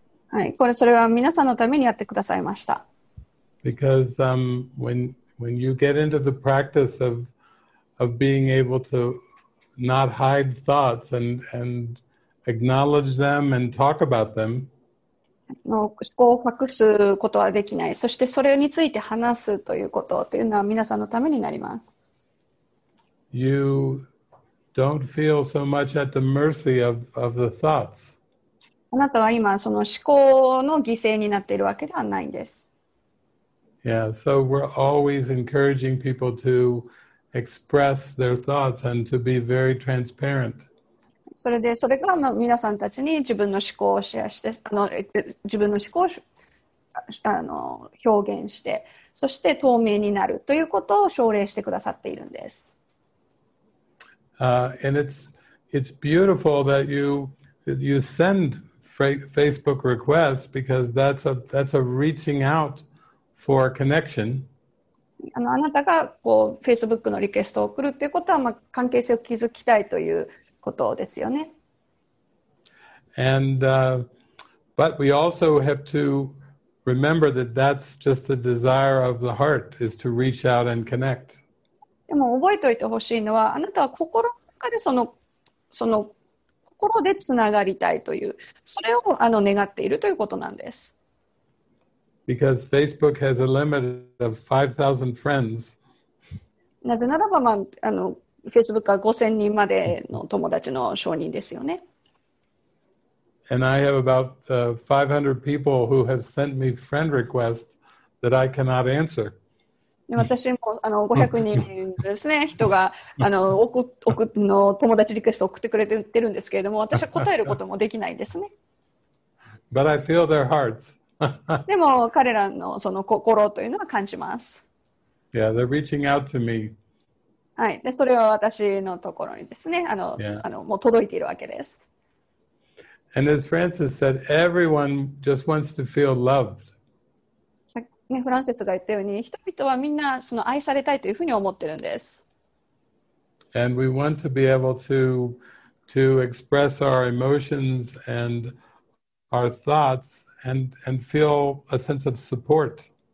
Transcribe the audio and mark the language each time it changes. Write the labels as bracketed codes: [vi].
[ja] はい、これそれは皆さんのためにやってくださいました。 [en] Because when you get into the practice of being able to not hide thoughts and acknowledge them and talk about them. [ja] 思考を隠すことはできない。そしてそれについて話すということというのは皆さんのためになります。 [en] You don't feel so much at the mercy of the thoughts. [ja] あなたは今その思考の犠牲になっているわけではないんです。 [en] Yeah, so we're always encouraging people to express their thoughts and to be very transparent. [ja] それでそれから皆さんたちに自分の思考をシェアして自分の思考を表現してそして透明になるということを奨励してくださっているんです。 [en] And it's beautiful that you send Facebook requests because that's a reaching out for a connection. [ja] あなたがこう Facebook のリクエストを送るということは、まあ、関係性を築きたいという。ことですよね。 [en] And but we also have to remember that that's just the desire of the heart is to reach out and connect. [ja] でも覚えておいてほしいのは、あなたは心の中でその心でつながりたいという、それを願っているということなんです。 [en] Because Facebook has a limit of 5,000 friends. [ja] なぜならば、まあ、Facebook は5000人までの友達の承認ですよね。 [en] And I have about 500 people who have sent me friend requests that I cannot answer. [ja] 私もあの500人ですね、人が送の友達リクエスト送ってくれてるんですけれども、私は答えることもできないですね。 [en] But I feel their hearts. [ja] でも彼らのその心というのは感じます。 [en] Yeah, they're reaching out to me. [ja] はい、でそれは私のところにですね、 [en] yeah. [ja] もう届いているわけです。 [en] And as Francis said, everyone just wants to feel loved. [ja] ね、フランセスが言ったように人々はみんなその愛されたいというふうに思ってるんです。 [en] And we want to be able to express our emotions and our thoughts and feel a sense of support、